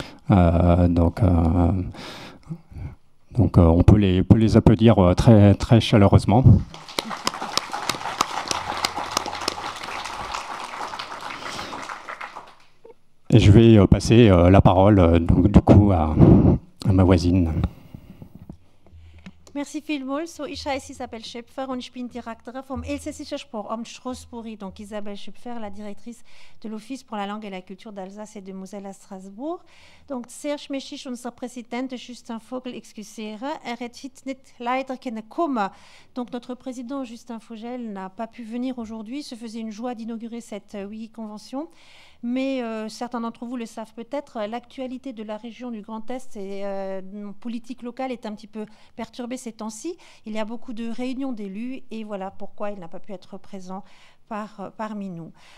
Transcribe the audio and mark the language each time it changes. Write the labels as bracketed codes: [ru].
[fr] Donc on peut les applaudir très, très chaleureusement. Et je vais passer la parole du coup à ma voisine. [de] Merci vielmals. So, ich heiße Isabelle Schöpfer und ich bin Direktorin vom Elsässischen Sprachamt Strasbourg. [fr] Donc Isabelle Schöpfer, la directrice de l'Office pour la langue et la culture d'Alsace et de Moselle à Strasbourg. [de] Donc Serge Mechich, unser Präsident, Justin Vogel, [fr] excusez-moi, [de] er hätte heute nicht leider können kommen. [fr] Donc notre président Justin Vogel n'a pas pu venir aujourd'hui. Se faisait une joie d'inaugurer cette Wikiconvention. Mais certains d'entre vous le savent peut-être, l'actualité de la région du Grand Est et politique locale est un petit peu perturbée ces temps-ci. Il y a beaucoup de réunions d'élus et voilà pourquoi il n'a pas pu être présent parmi nous.